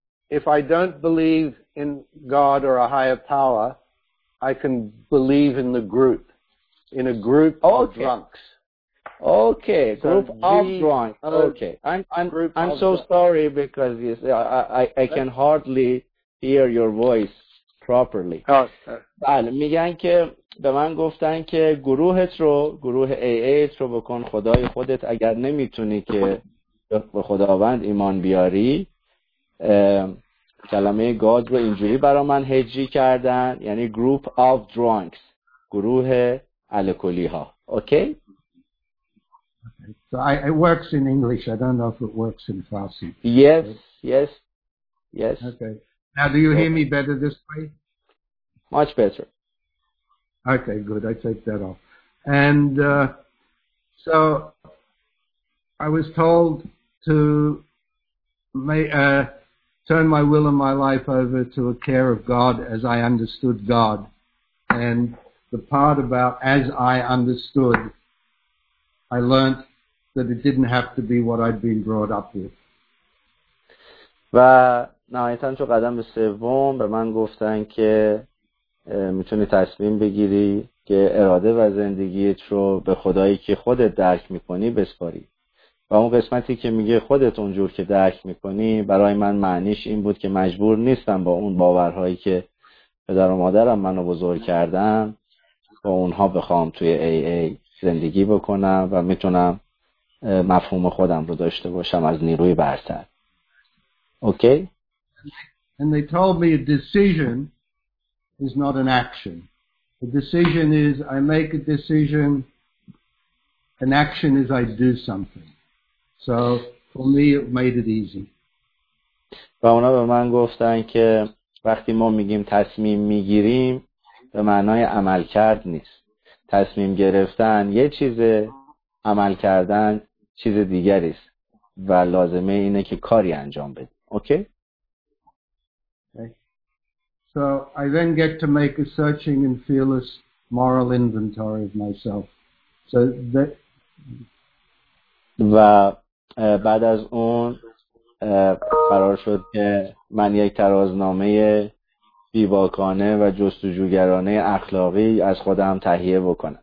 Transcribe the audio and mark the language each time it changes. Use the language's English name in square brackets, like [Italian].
[English] If I don't believe in God or a higher power, I can believe in the group, in a group okay. of drunks. Okay, so group of drunks. Okay, I'm so sorry because you see, I can hardly hear your voice properly. [Persian] بله میگن که به من گفتن که گروهت رو گروه AA رو بکن خدای خودت، اگر نمیتونی که به خداوند ایمان بیاری کلمه گاد رو اینجوری برای من هجی کردن، یعنی [English] group of drinks, [Persian] گروه الکلی ها. اوکی؟ [English] So it works in English. I don't know if it works in Farsi. Yes, yes, yes. Okay. Now, do you hear me better this way? Much better. Okay, good. I take that off. And so I was told to turn my will and my life over to a care of God as I understood God. And the part about as I understood, I learned that it didn't have to be what I'd been brought up with. [Persian] و نهایتاً چون قدم سوم به من گفتن که میتونی تصمیم بگیری که اراده و زندگیت رو به خدایی که خودت درک میکنی بسپاری. و اون قسمتی که میگه خودت اونجور که درک میکنی، برای من معنیش این بود که مجبور نیستم با اون باورهایی که پدر و مادرم منو بزرگ کردن با اونها بخوام توی AA زندگی بکنم و میتونم مفهوم خودم رو داشته باشم از نیروی برتر. اوکی؟ [English] And they told me a decision is not an action. A decision is I make a decision. An action is I do something. So for me it made it easy. [Persian] و اونا به من گفتن که وقتی ما میگیم تصمیم میگیریم به معنای عمل کرد نیست. تصمیم گرفتن یه چیزه، عمل کردن چیز دیگری است و لازمه اینه که کاری انجام بدی. اوکی؟ Okay. [English] So I then get to make a searching and fearless moral inventory of myself. So that [Persian] و بعد از اون قرار شد که من یک ترازنامه بیباکانه و جستجوگرانه اخلاقی از خودم تهیه بکنم.